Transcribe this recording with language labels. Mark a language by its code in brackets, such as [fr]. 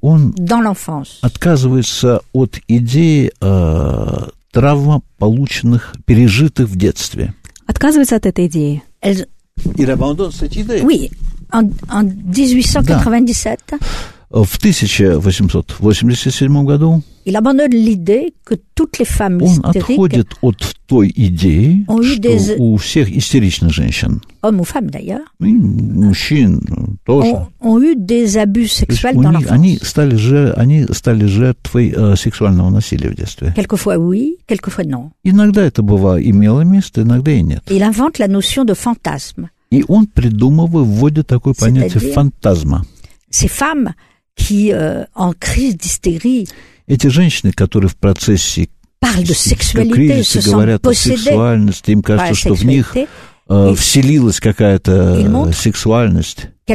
[ru] он [fr] dans l'enfance. [ru] Отказывается от идеи травм, полученных, пережитых в детстве. Отказывается от этой идеи. [fr] Il abandonne cette idée. Oui, en 1897. [ru] Да. В 1887 году. [fr] Il abandonne l'idée que toutes les femmes hystériques. [ru] Он отходит от той идеи, что у всех истеричных женщин. [fr] Hommes ou femmes d'ailleurs. [ru] И мужчин тоже. [fr] Ont eu des abus sexuels dans l'enfance. [ru] Они стали жертвой сексуального насилия в детстве. [fr] Quelquefois oui, quelquefois non. [ru] Иногда это бывало имело место, иногда и нет. [fr] Il invente la notion de fantasme. [ru] И он придумывает, вводит такое понятие фантазма. [fr] Ces femmes qui en crise d'hystérie. [ru] Эти женщины, которые в процессе кризиса говорят о сексуальности, им кажется, что в них вселилась какая-то сексуальность.